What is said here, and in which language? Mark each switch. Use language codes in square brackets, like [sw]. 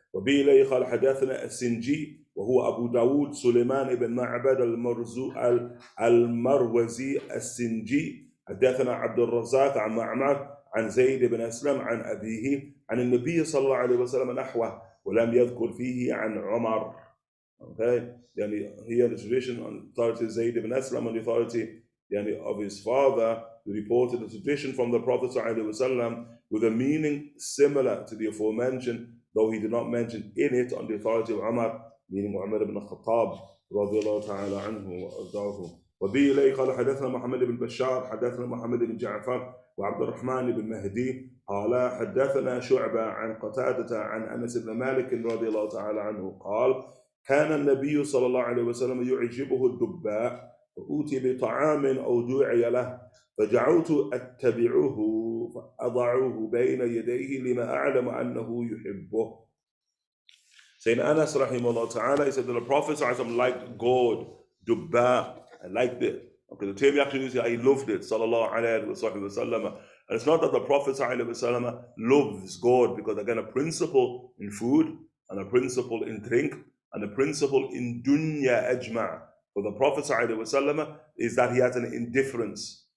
[ar] وبي إليه قال حدثنا السنجي وهو أبو داود سليمان بن معبد المروزي السنجي حدثنا عبد الرزاق عن معمر عن زيد بن أسلم عن أبيه عن النبي صلى الله عليه وسلم نحوه ولم يذكر فيه عن عمر. [en] Okay, yani here the tradition on authority of Zayd ibn Aslam and the authority yani of his father, who reported the tradition from the Prophet with a meaning similar to the aforementioned, though he did not mention in it on the authority of Umar, meaning Umar ibn al-Khattab رضي الله تعالى عنه وأرضاه. [ar] وبه إليه قال حدثنا محمد بن بشار حدثنا محمد بن جعفر وعبد الرحمن بن مهدي قال حدثنا شعبة عن قتادة عن أنس بن مالك رضي الله تعالى عنه قال كان النبي صلى الله عليه وسلم يعجبه الدباء فأوتي بطعام أو دعي له فجعلت أتبعه فأضعه بين يديه لما أعلم أنه يحبه. [en] Saying Anas rahimahullah ta'ala, he said that the Prophet ﷺ liked gourd, dubba, I liked it. Okay, the term he actually used, he loved it, sallallahu alayhi wa sallam. And it's not that the Prophet ﷺ loves gourd, because again, a principle in food, and a principle in drink, and a principle in dunya ajma' for the Prophet ﷺ is that he has an indifference.